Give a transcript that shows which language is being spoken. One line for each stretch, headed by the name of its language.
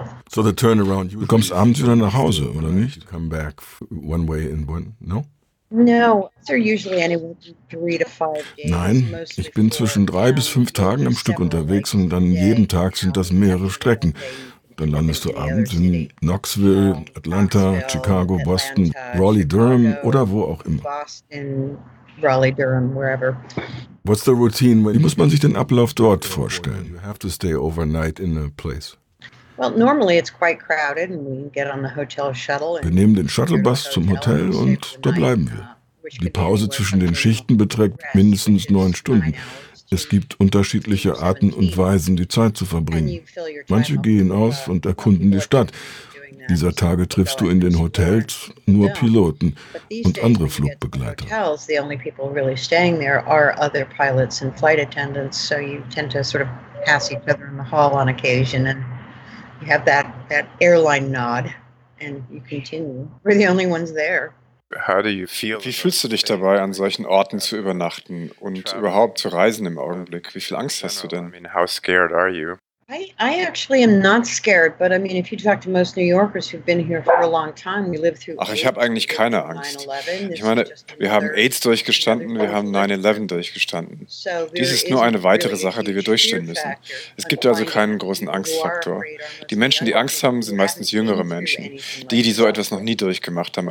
English: So the turnaround,
German: du kommst abends wieder nach Hause, oder nicht?
English: You come back one way in one, no? No, they're usually anywhere from 3 to 5 days.
German: Nein, ich bin zwischen 3 bis 5 Tagen am Stück unterwegs und dann jeden Tag sind das mehrere Strecken. Dann landest du abends in Knoxville, Atlanta, Chicago, Boston, Raleigh-Durham oder wo auch immer.
English: Boston, Raleigh-Durham, wherever. What's the routine?
German: Wie muss man sich den Ablauf dort vorstellen?
English: You have to stay overnight in a place. Well, normally it's quite crowded and we get on the hotel shuttle.
German: Wir nehmen den Shuttlebus zum Hotel und da bleiben wir. Die Pause zwischen den Schichten beträgt mindestens 9 Stunden. Es gibt unterschiedliche Arten und Weisen, die Zeit zu verbringen. Manche gehen aus und erkunden die Stadt. Dieser Tage triffst du in den Hotels nur Piloten und andere Flugbegleiter.
English: The only people really staying there are other pilots and flight attendants, so you tend to sort of pass each other in the hall on occasion and you have that airline nod and you continue. We're the only ones there. How do you feel?
German: Wie fühlst du dich dabei, an solchen Orten zu übernachten und überhaupt zu reisen im Augenblick? Wie viel Angst hast du denn?
English: I mean, how scared are you? I actually am not scared, but I mean, if you talk to most New Yorkers who've been here for a long time, we live through.
German: Ach, ich habe eigentlich keine Angst. Ich meine, wir haben AIDS durchgestanden, wir haben 9/11 durchgestanden. Dies ist nur eine weitere Sache, die wir durchstehen müssen. Es gibt also keinen großen Angstfaktor. Die Menschen, die Angst haben, sind meistens jüngere Menschen, die so etwas noch nie durchgemacht haben.